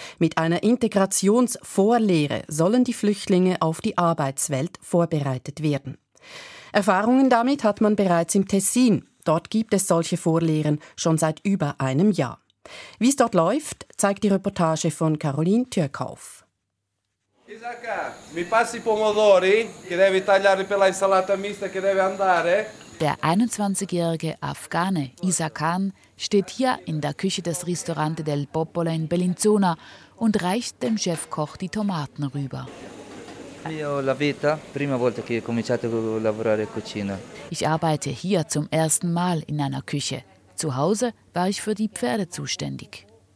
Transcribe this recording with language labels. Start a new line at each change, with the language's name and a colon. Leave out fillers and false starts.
German: Mit einer Integrationsvorlehre sollen die Flüchtlinge auf die Arbeitswelt vorbereitet werden. Erfahrungen damit hat man bereits im Tessin. Dort gibt es solche Vorlehren schon seit über einem Jahr. Wie es dort läuft, zeigt die Reportage von Caroline Türkauf.
Italian: Isaka, mi passi pomodori, che devi tagliare per la insalata mista che deve andare.
German: Der 21-jährige Afghane Isa Khan steht hier in der Küche des Ristorante del Popolo in Bellinzona und reicht dem Chefkoch die Tomaten rüber. Ich arbeite hier zum ersten Mal in einer Küche. Zu Hause war ich für die Pferde zuständig.